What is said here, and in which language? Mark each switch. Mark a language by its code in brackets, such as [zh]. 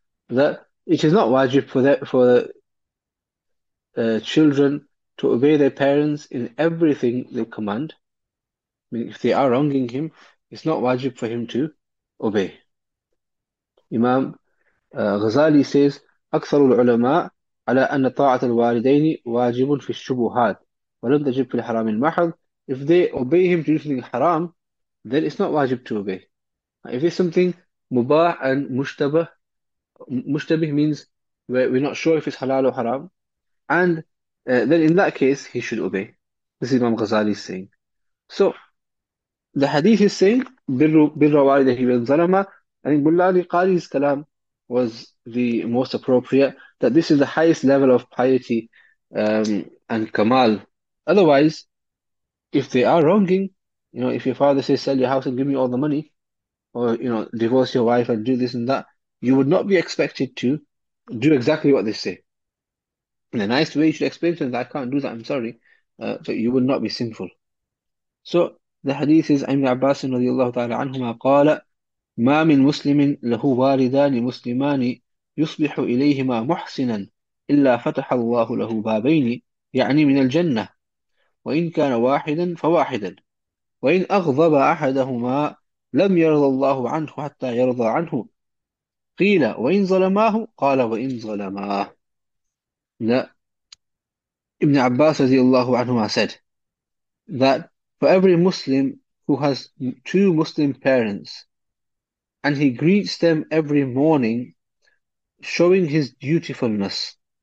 [en] That it is not wajib for children to obey their parents in everything they command. I mean, if they are wronging him, it's not wajib for him to obey. Imam [ar] غزالي [en] says [ar] أكثر العلماء على أن طاعة الوالدين واجب في الشبهات ولم تجب في الحرام المحض. [en] If they obey him to do something haram, then it's not wajib to obey. If it's something mubah and mushtabah, mushtabih means we're not sure if it's halal or haram, and then in that case he should obey. This is Imam Ghazali is saying. So the hadith is saying [ar] birru walidayhi bin zalama. [en] I think Bulali Qari's kalam was the most appropriate, that this is the highest level of piety and kamal. Otherwise, if they are wronging, you know, if your father says sell your house and give me all the money, or you know, divorce your wife and do this and that, you would not be expected to do exactly what they say. In a nice way, you should explain to them that I can't do that, I'm sorry. So you will not be sinful. So the hadith is Ibn Abbas radiallahu ta'ala anhuma qala, [ar] ما من مسلم له والدان مسلمان يصبح إليهما محسنا إلا فتح الله له بابين يعني من الجنة وإن كان واحدا فواحدا وإن أغضب أحدهما لم يرضى الله عنه حتى يرضى عنه قيل وإن ظلماه قال وإن ظلماه. لا ابن عباس رضي الله عنهما [en] said that for every Muslim who has two Muslim parents and he greets them every morning, showing his dutifulness.